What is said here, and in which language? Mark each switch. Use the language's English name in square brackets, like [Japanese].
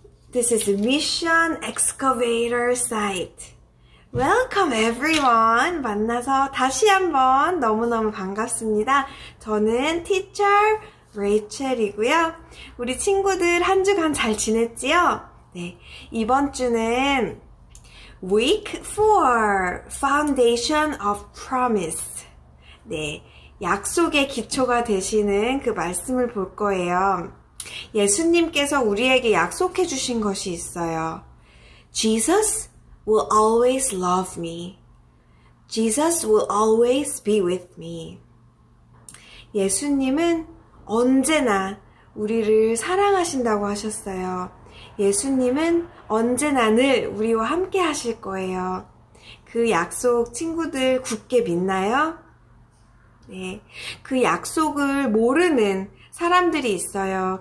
[English] This is Mission Excavator Site. Welcome everyone. [Korean] 만나서 다시 한번 너무너무 반갑습니다. 저는 티처 레이첼이고요. 우리 친구들 한 주간 잘 지냈지요? 네. 이번 주는 [English] Week 4 Foundation of Promise. [Korean] 네, 약속의 기초가 되시는 그 말씀을 볼 거예요. 예수님께서 우리에게 약속해 주신 것이 있어요. [English] Jesus will always love me. Jesus will always be with me. [Korean] 예수님은 언제나 우리를 사랑하신다고 하셨어요. 예수님은 언제나 늘 우리와 함께 하실 거예요. 그 약속 친구들 굳게 믿나요? 네, 그 약속을 모르는 사람들이 있어요.